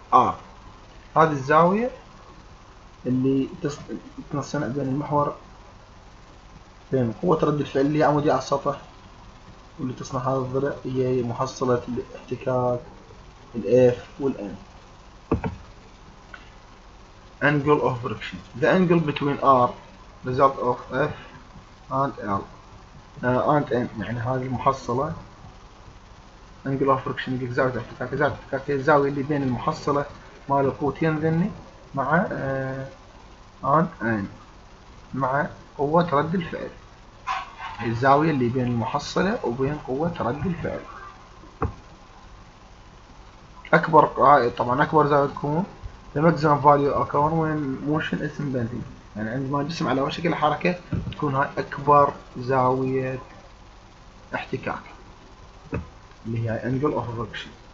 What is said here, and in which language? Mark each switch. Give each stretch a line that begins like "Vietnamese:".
Arabic: R هذه الزاوية اللي تصنع بين المحور بين قوة رد الفعل اللي هي عمودية على السطح واللي تصنع هذا الضلع هي محصلة الاحتكاك الـ F والـ N.
English: Angle of friction. The angle between R, result of F and L, and N.
Arabic: يعني هذه المحصلة. Angle of friction هي زاوية الاحتكاك. زاوية الاحتكاك هي الزاوية اللي بين المحصلة مال القوتين ذني مع and N مع قوة رد الفعل. الزاوية اللي بين المحصلة وبين قوة رد الفعل. أكبر طبعا أكبر زاوية تكون
English: The maximum value occur when motion is impending.
Arabic: يعني عندما الجسم على وشك الحركة تكون هاي أكبر زاوية احتكاك اللي هي angle of friction.